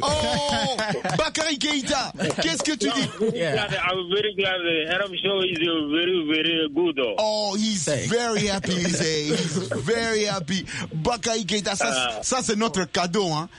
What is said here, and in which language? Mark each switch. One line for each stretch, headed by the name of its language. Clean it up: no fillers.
French: Oh, Bakary Keita, qu'est-ce que tu dis?
English: Yeah. I'm very glad. The Arab show is a very, very good. Oh, he's very happy, he's very happy.
French: Bakay Keita, ça, ça c'est notre cadeau, hein.